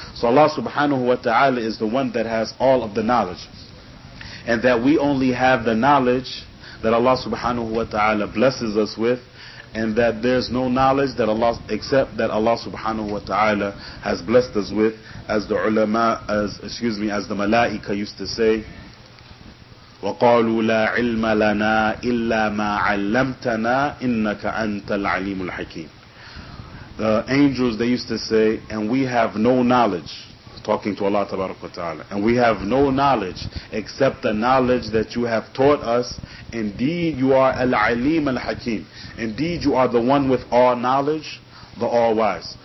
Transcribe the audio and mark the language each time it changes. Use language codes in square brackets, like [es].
[en] So Allah subhanahu wa ta'ala is the one that has all of the knowledge. And that we only have the knowledge that Allah subhanahu wa ta'ala blesses us with. And that there's no knowledge that Allah, except that Allah subhanahu wa ta'ala has blessed us with. As the ulama, as the malaika used to say, [ar] وَقَالُوا لَا عِلْمَ لَنَا إِلَّا مَا عَلَّمْتَنَا إِنَّكَ أَنْتَ الْعَلِيمُ الْحَكِيمُ. [en] The angels, they used to say, and we have no knowledge, talking to Allah tabaraka wa ta'ala, and we have no knowledge except the knowledge that you have taught us. Indeed, you are al-alim al-hakim. Indeed, you are the one with all knowledge, the all-wise.